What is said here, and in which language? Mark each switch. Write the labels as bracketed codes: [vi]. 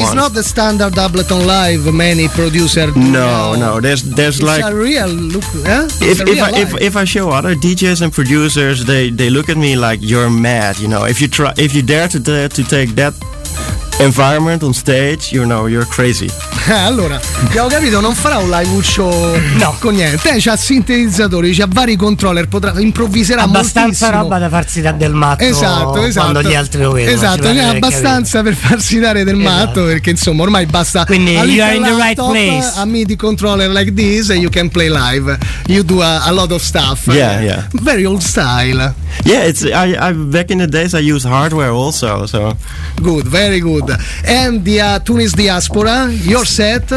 [en] It's not the standard Ableton Live many producers do. No. There's it's like a real look. Huh? If I show other DJs and producers, they look at me like, you're mad. You know, if you dare to take that environment on stage, you know, you're crazy. [it] Allora, abbiamo capito, non farà un live show, no, con niente. C'ha sintetizzatori, c'ha vari controller, potrà, improvviserà abbastanza moltissimo. Roba da farsi dare del matto. Esatto. Quando gli altri lo vedono. Esatto, è abbastanza, capito, per farsi dare del matto, perché insomma ormai basta. Quindi [en] you are in the right place. A MIDI controller like this, and you can play live. You do a lot of stuff. Yeah, yeah. Very old style. Yeah, it's I back in the days I used hardware also, so. Good, very good. And the Tunis Diaspora, your set.